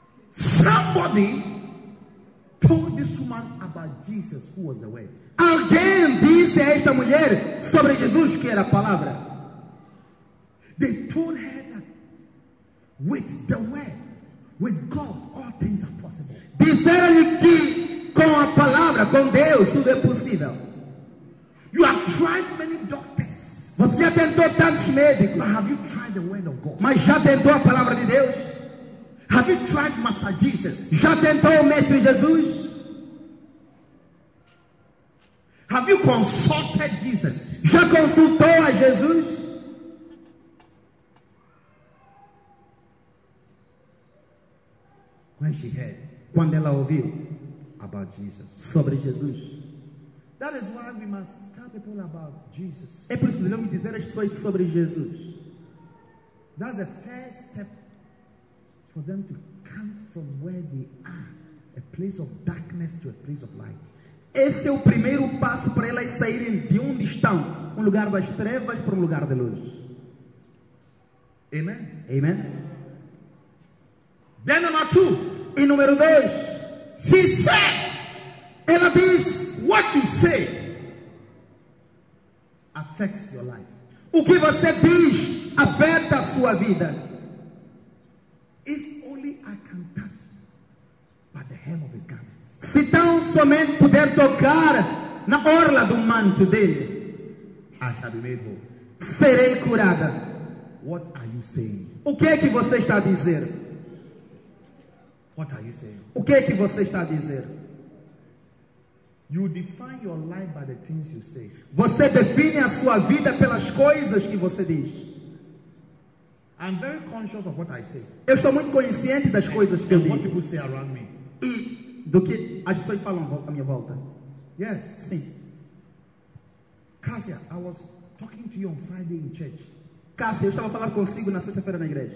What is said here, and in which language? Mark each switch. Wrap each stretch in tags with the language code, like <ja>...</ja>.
<en>Somebody told this woman about Jesus, who was the word.</en> <pt>Alguém disse a esta mulher sobre Jesus, que era a palavra.</pt> <en>They told her that with the word, with God, all things are possible.</en> <pt>Disseram-lhe que com a palavra, com Deus, tudo é possível.</pt> <en>You have tried many doctors.</en> <pt>Você já tentou tantos médicos.</pt> <en>But have you tried the word of God?</en> <pt>Mas já tentou a palavra de Deus?</pt> <en>Have you tried Master Jesus?</en> <pt>Já tentou o Mestre Jesus?</pt> <en>Have you consulted Jesus?</en> <pt>Já consultou a Jesus?</pt> <en>When she heard,</en> <pt>quando ela ouviu</pt> <en>about Jesus,</en> <pt>sobre Jesus.</pt> <en>That is why we must tell people about Jesus.</en> <pt>É por isso que devemos dizer às pessoas sobre Jesus.</pt> <en>That's the first step for them to come from where they are, a place of darkness, to a place of light.</en> <pt>Esse é o primeiro passo para elas saírem de onde estão, um lugar das trevas para um lugar de luz.</pt> <en>Amen.</en> <pt>Amen.</pt> <en>Then number two.</en> <pt>E número dois.</pt> <en>She said,</en> <pt>ela diz,</pt> <en>what you say affects your life.</en> <pt>O que você diz afeta a sua vida.</pt> <en>If only I can touch by the hem of his garment.</en> <pt>Se tão somente puder tocar na orla do manto dele,</pt> <en>I shall be made whole.</en> <pt>Serei curada.</pt> <en>What are you saying?</en> <pt>O que é que você está a dizer?</pt> <en>What are you saying?</en> <pt>O que é que você está a dizer?</pt> <en>You define your life by the things you say.</en> <pt>Você define a sua vida pelas coisas que você diz.</pt> <en>I'm very conscious of what I say.</en> <pt>Eu estou muito consciente das coisas que eu digo.</pt> <en>What people say around me.</en> <pt>E do que as pessoas falam à minha volta.</pt> <en>Yes.</en> <pt>Sim.</pt> <en>Cassia, I was talking to you on Friday in church.</en> <pt>Cassia, eu estava a falar consigo na sexta-feira na igreja.</pt>